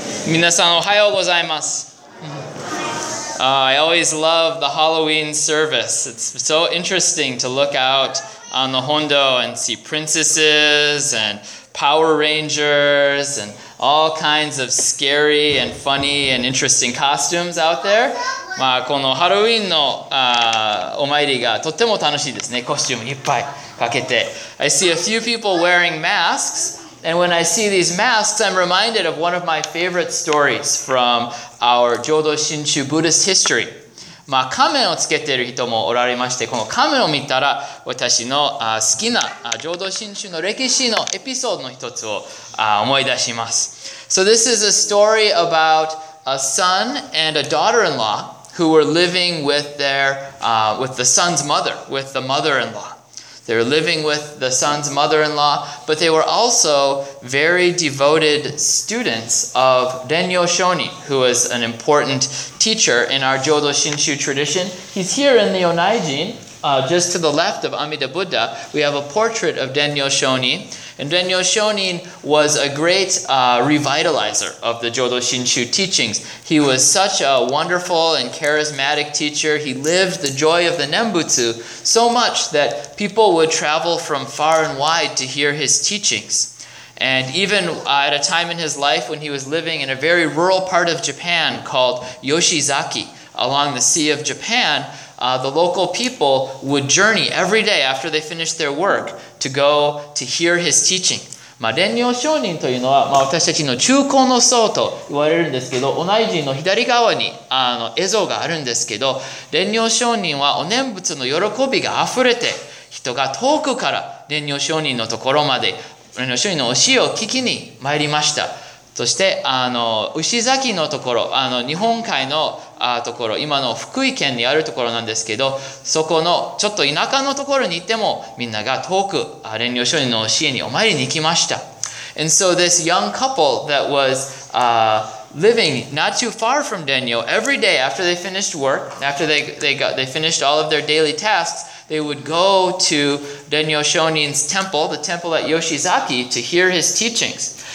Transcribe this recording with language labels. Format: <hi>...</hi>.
<ja>Minnasan ohayou gozaimasu.</ja> <en>I always love the Halloween service. It's so interesting to look out on the Hondo and see princesses and Power Rangers and all kinds of scary and funny and interesting costumes out there.</en> <ja>まあ、このハロウィンの、お参りがとっても楽しいですね。コスチュームいっぱいかけて。</ja> <en>I see a few people wearing masks. And when I see these masks, I'm reminded of one of my favorite stories from our Jodo Shinshu Buddhist history.</en> <ja>まあ、仮面をつけている人もおられまして、この仮面を見たら、私の好きな Jodo Shinshu の歴史のエピソードの一つを思い出します。</ja> <en>So this is a story about a son and a daughter-in-law who were living with the son's mother, with the mother-in-law. They were living with the son's mother-in-law, but they were also very devoted students of Denyo Shoni, who is an important teacher in our Jodo Shinshu tradition. He's here in the Onaijin, just to the left of Amida Buddha. We have a portrait of Denyo Shoni. And Denyo Shonin was a great revitalizer of the Jodo Shinshu teachings. He was such a wonderful and charismatic teacher. He lived the joy of the Nembutsu so much that people would travel from far and wide to hear his teachings. And even at a time in his life when he was living in a very rural part of Japan called Yoshizaki, along the Sea of Japan, the local people would journey every day after they finished their work to go to hear his teaching.</en> <ja>まあ、蓮如上人というのは、まあ、私たちの中高の僧と言われるんですけど、お内陣の左側に絵像があるんですけど、蓮如上人はお念仏の喜びがあふれて、人が遠くから蓮如上人のところまで、蓮如上人の教えを聞きに参りました。そして牛崎のところ日本海のところ今の福井県にあるところなんですけどそこのちょっと田舎のところに行ってもみんなが遠く蓮如上人の教えにお参りに行きました。</ja> <en>And so this young couple that was living not too far from Denyo every day after they finished work after they finished all of their daily tasks they would go to Denyo Shonin's temple the temple at Yoshizaki to hear his teachings.</en>